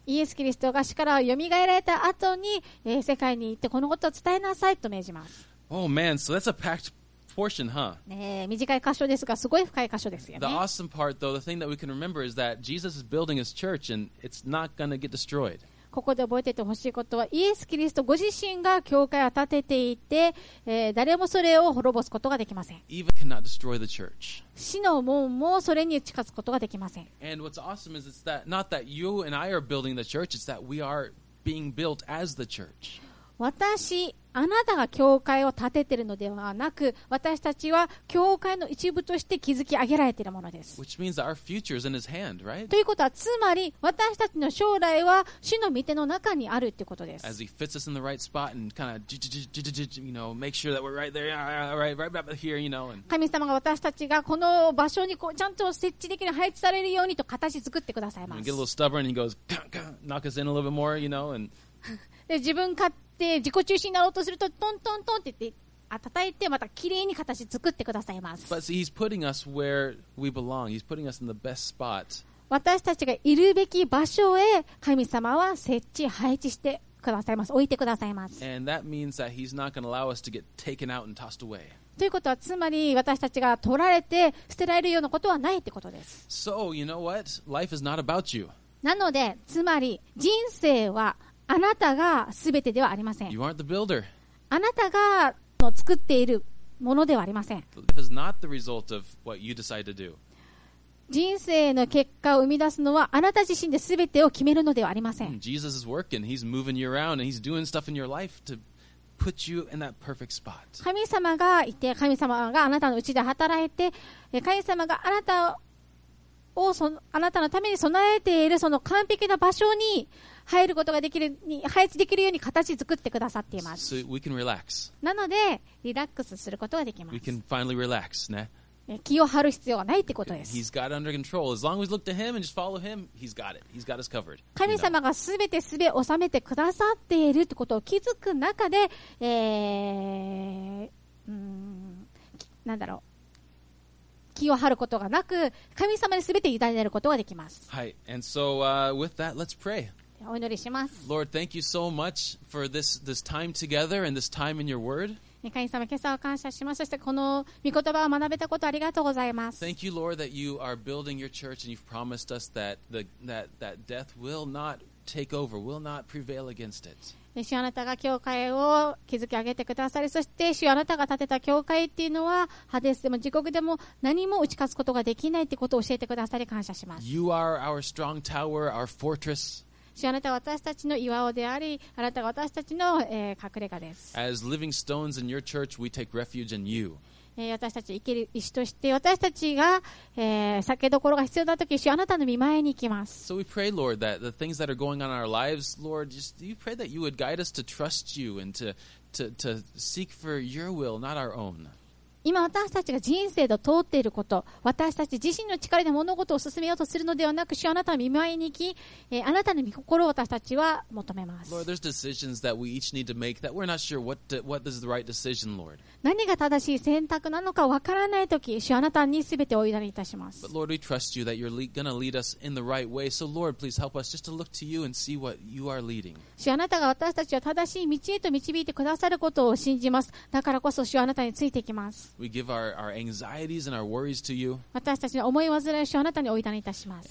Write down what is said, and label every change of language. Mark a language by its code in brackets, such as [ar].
[ja] イエスキリストが死からよみがえられた後に、世界に行ってこのことを伝えなさいと命じます。 [en] Oh man, so that's a packed portion, huh? [ja] ね、短い箇所ですが、すごい深い箇所ですよね。 [en] The awesome part, though, the thing that we can remember is that Jesus is building his church, and it's not going to get destroyed. [ja] ここで覚えててほしいことは、イエス・キリストご自身が教会を建てていて、誰もそれを滅ぼすことができません。 [en] Evil cannot destroy the church. [ja] 死の門もそれに近づくことができません。 [en] And what's awesome is it's that not that you and I are building the church, it's that we are being built as the church. [ja] 私、あなたが教会を建てているのではなく、私たちは教会の一部として築き上げられているものです。 [en] Which means our future is in his hand, right? [ja] ということは、つまり私たちの将来は主の御手の中にあるということです。 [en] As he fits us in the right spot and kind of you know, make sure that we're right there, right up here, you know. [ja] 神様が私たちがこの場所にこうちゃんと設置できる、配置されるようにと形作ってくださいます。 [en] Get a little stubborn, he goes, knock us in a little bit more, you know, and [ja] で自分勝手自己中心になろうとするとトントントンって言って叩いてまた綺麗に形作ってくださいます。 [en] But see, he's putting us where we belong. He's putting us in the best spot. [ja] 私たちがいるべき場所へ神様は設置配置してくださいます。置いてくださいます。 [en] And that means that he's not going to allow us to get taken out and tossed away. [ja] ということはつまり私たちが取られて捨てられるようなことはないってことです。 [en] So you know what? Life is not about you. [ja] なのでつまり人生はあなたが全てではありません。 [en] You aren't the builder. [ja] あなたが作っているものではありません。 [en] Life is not the result of what you decide to do. [ja] 人生の結果を生み出すのはあなた自身で全てを決めるのではありません。 [en] Jesus is working. He's moving you around and he's doing stuff in your life to put you in that perfect spot. [ja] 神様がいて、神様があなたのうちで働いて、神様があなたをあなたのために備えているその完璧な場所に入ることができるに配置できるように形作ってくださっています。 [en] So we can relax. [ja] なのでリラックスすることができます。 [en] We can finally relax, ね、 [ja] 気を張る必要はないってことです。 [en] He's got under control. As long as we look to him and just follow him, he's got it. He's got us covered. [ja] 神様がすべてすべ収めてくださっているってことを気づく中で、なんだろう、気を張ることがなく神様にすべて委ねることができます。 [en] はい。And so, with that, let's pray [ja] お祈りします。 [en] Lord, thank you so much for this time together and this time in your word. [ja] 神様、今朝は感謝します。そしてこの御言葉を学べたことありがとうございます。 [en] Thank you, Lord, that you are building your church and you've promised us that, the, that, that death will not take over, will not prevail against it. [ja] 主、あなたが教会を築き上げてくださり、そして主、あなたが建てた教会っていうのはハデスでも地獄でも何も打ち勝つことができないってことを教えてくださり感謝します。 [en] You are our strong tower, our fortress. [ja] 主、あなたは私たちの岩尾であり、あなたは私たちの、隠れ家です。 [en] As living stones in your church, we take refuge in you. [ja] 私たち生きる石として、私たちが、酒どころが必要なとき、主、あなたの御前に行きます。 [en] So we pray, Lord, that the things that are going on in our lives, Lord, just you pray that you would guide us to trust you and to seek for your will, not our own. [ja] 今私たちが人生で通っていること、私たち自身の力で物事を進めようとするのではなく、主、あなたの御前に行き、あなたの御心を私たちは求めます。 [en] Lord, there's decisions that we each need to make that we're not sure what is the right decision, Lord. [ja] 何が正しい選択なのかわからないとき、主、あなたにすべてお委ねいたします。 [en] But Lord, we trust you that you're going to lead us in the right way. So Lord, please help us just to look to you and see what you are leading. [ja] 主、あなたが私たちを正しい道へと導いてくださることを信じます。だからこそ主、あなたについていきます。 [en] We give our anxieties and our worries to you. [ja] 私たちの思い煩いをあなたにお委ねいたします。